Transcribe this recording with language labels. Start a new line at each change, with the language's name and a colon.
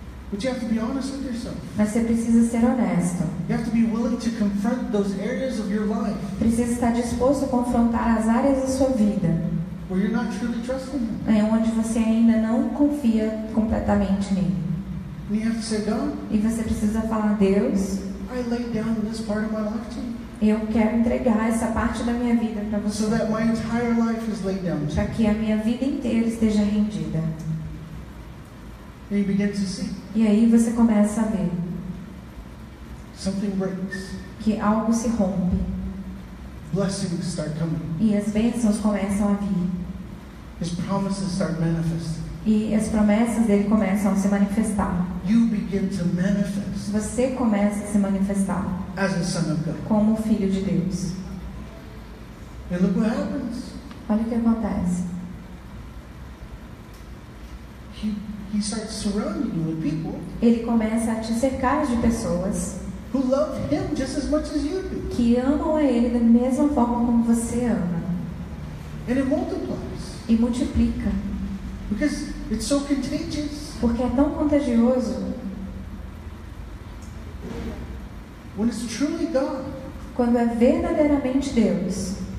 English: But you have to be honest with yourself.
Portuguese: Mas você precisa ser honesto.
English: You have to be willing to confront those areas of your life.
Portuguese: Precisa estar disposto a confrontar as áreas da sua vida.
English: Where you're not truly trusting him.
Portuguese: É onde você ainda não confia completamente nele.
English: We have to say, God,
Portuguese: e você precisa falar, Deus,
English: I lay down this part of my life to you.
Portuguese: Eu quero entregar essa parte da minha vida para você.
English: So that my entire life is laid down to you.
Portuguese: Para que a minha vida inteira esteja rendida.
English: And you begin to see.
Portuguese: E aí você começa a ver.
English: Something breaks.
Portuguese: Que algo se rompe.
English: Blessings start coming.
Portuguese: E as bênçãos começam a vir.
English: His promises start manifesting.
Portuguese: E as promessas dele começam a se manifestar.
English: You begin to manifest.
Portuguese: Você começa a se manifestar.
English: As a son of God.
Portuguese: Como filho de Deus.
English: And look what happens.
Portuguese: Olha o que acontece.
English: He starts surrounding you with people.
Portuguese: Ele começa a te cercar de pessoas.
English: Who love him just as much as you do.
Portuguese: Que amam a ele da mesma forma como você ama.
English: And it multiplies.
Portuguese: E multiplica.
English: Because it's so contagious.
Portuguese: Porque é tão contagioso.
English: When it's truly God.
Portuguese: Quando é verdadeiramente Deus.